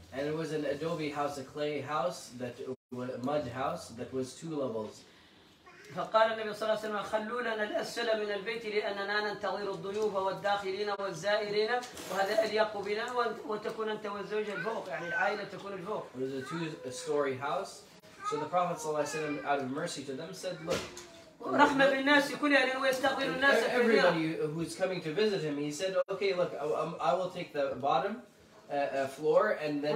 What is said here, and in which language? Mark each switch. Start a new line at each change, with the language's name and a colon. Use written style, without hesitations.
English: And it was an adobe house, a clay house, that was a mud house that was two levels.
Arabic: فقال النبي صلى الله عليه وسلم خلوا لنا الأسفل من البيت لأننا ننتظر الضيوف والداخلين والزائرين وهذا أليق بنا وتكون أنت والزوجة الفوق يعني العائلة تكون الفوق.
English: It was a two-story house, so the Prophet صلى الله عليه وسلم, out of mercy to them, said, look.
Arabic: رحمة بالناس كلها لأنه يستقبل الناس.
English: Everybody who's coming to visit him, he said, okay, look, I will take the bottom floor and then.